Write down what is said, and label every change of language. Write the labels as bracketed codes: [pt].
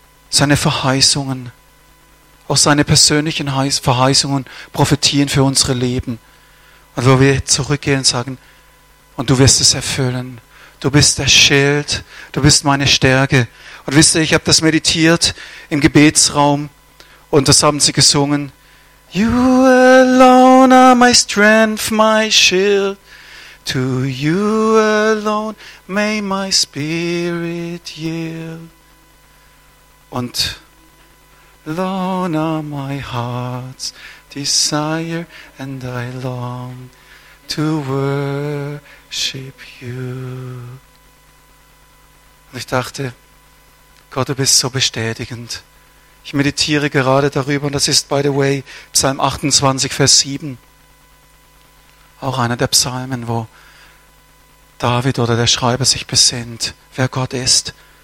[de] seine Verheißungen, auch seine persönlichen Verheißungen prophetieren für unsere Leben. Und wo wir zurückgehen und sagen, und du wirst es erfüllen. Du bist der Schild, du bist meine Stärke. Und wisst ihr, ich habe das meditiert im Gebetsraum und das haben sie gesungen. [en] You alone are my strength, my shield. To you alone may my spirit yield. Und alone are my heart's desire and I long to worship you. [de] Und ich dachte, Gott, du bist so bestätigend. Ich meditiere gerade darüber und das ist, [en] by the way, [de] Psalm 28, Vers 7. Auch einer der Psalmen, wo David oder der Schreiber sich besinnt, wer Gott ist.